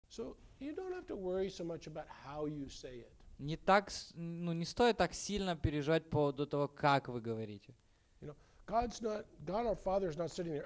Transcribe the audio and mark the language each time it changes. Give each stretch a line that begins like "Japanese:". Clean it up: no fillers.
English: So you don't have to worry so much about how you say it.
Russian: Не так, ну, не стоит так сильно переживать по поводу того, как вы говорите.
English: You know, God's not, God our Father is not sitting there.